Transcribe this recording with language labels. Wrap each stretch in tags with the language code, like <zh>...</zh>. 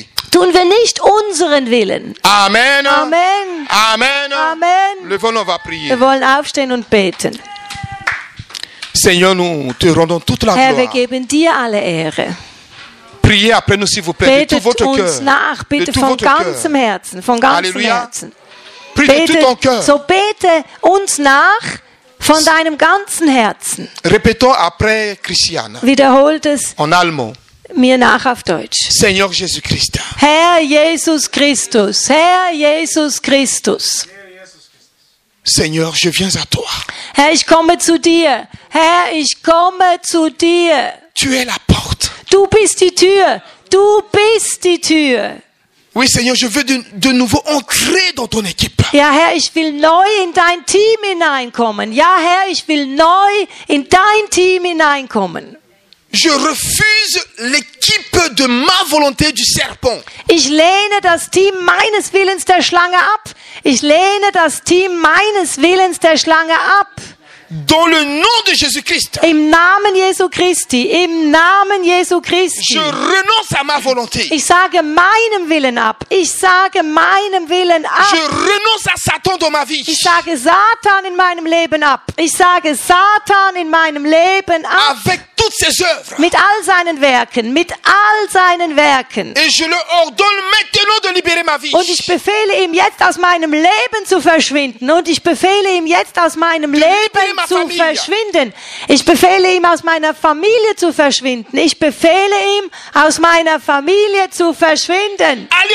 <de>Tun wir nicht unseren Willen. Amen. Amen. Amen. Amen. Wir wollen aufstehen und beten.</de> <fr>Seigneur, nous te rendons toute la gloire.</fr> <de>Herr, wir geben dir alle Ehre.</de> <fr>Priez après nous, s'il vous plaît,</fr> <de>betet uns</de> <fr>cœur,</fr> <de>nach, bitte von ganzem Herzen, von ganzem Alleluia. Herzen. Bete, so bete uns nach von deinem ganzen Herzen.</de> <fr>Répétons après Christiane.</fr> <de>Wiederholt es</de> <fr>en allemand.</fr> <de>Mir nach auf Deutsch.</de> <fr>Seigneur Jesus Christ.</fr> <de>Herr Jesus Christus. Herr Jesus Christus.</de> <fr>Seigneur, je viens à toi.</fr> <de>Herr, ich komme zu dir. Herr, ich komme zu dir.</de> <fr>Tu es la porte.</fr> <de>Du bist die Tür. Du bist die Tür.</de> <fr>Oui, Seigneur, je veux de nouveau entrer dans ton équipe.</fr> <de>Ja, Herr, ich will neu in dein Team hineinkommen. Ja, Herr, ich will neu in dein Team hineinkommen.</de> <fr>Je refuse l'équipe de ma volonté du serpent.</fr> <de>Ich lehne das Team meines Willens der Schlange ab. Ich lehne das Team meines Willens der Schlange ab.</de> <fr>Dans le nom de Jésus Christ.</fr> <de>Im Namen Jesu Christi, im Namen Jesu Christi.</de> <fr>Je renonce à ma volonté.</fr> <de>Ich sage meinem Willen ab. Ich sage meinem Willen ab.</de> <fr>Je renonce à Satan dans ma vie.</fr> <de>Ich sage Satan in meinem Leben ab. Ich sage Satan in meinem Leben ab.</de> <fr>Avec toutes ses œuvres.</fr> <de>Mit all seinen Werken, mit all seinen Werken.</de> <fr>Et je le ordonne maintenant de libérer ma vie.</fr> <de>Und ich befehle ihm jetzt aus meinem Leben zu verschwinden und ich befehle ihm jetzt aus meinem Leben zu verschwinden. Ich befehle ihm, aus meiner Familie zu verschwinden. Ich befehle ihm, aus meiner Familie zu verschwinden.</de>